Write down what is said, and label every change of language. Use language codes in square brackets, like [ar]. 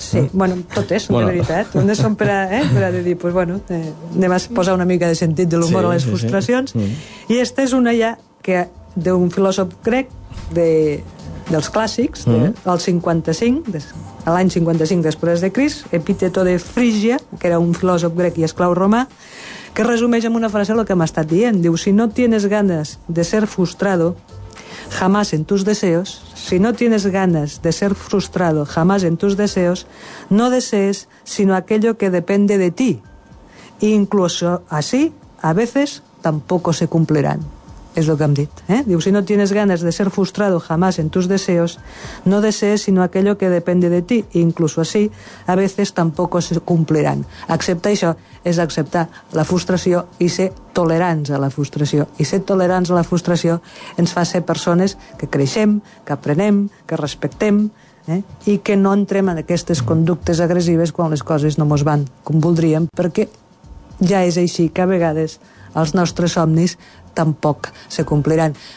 [ca] Sí, bueno, totes són de veritat. Unes són per a, per a dir, doncs, pues, bueno, anem a posar una mica de sentit de l'humor a les frustracions. I esta és una ja que d'un filòsof grec dels clàssics, del 55, l'any 55 després de Crist, Epíteto de Frígia, que era un filòsof grec i esclau romà, que resumeix amb una frase el que m'ha estat dient. [es] Diu, si no tienes ganes de ser frustrado, jamás en tus deseos, si no tienes ganas de ser frustrado jamás en tus deseos, no desees sino aquello que depende de ti. E incluso así, a veces, tampoco se cumplirán. [ca] És el que hem dit. [es] Diu, si no tienes ganas de ser frustrado jamás en tus deseos, no desees sino aquello que depende de ti. E incluso así, a veces, tampoco se cumplirán. [ca] Acceptar això és acceptar la frustració i ser tolerants a la frustració. I ser tolerants a la frustració ens fa ser persones que creixem, que aprenem, que respectem, i que no entrem en aquestes conductes agressives quan les coses no mos van com voldríem, perquè ja és així que a vegades els nostres somnis tampoc se compliran.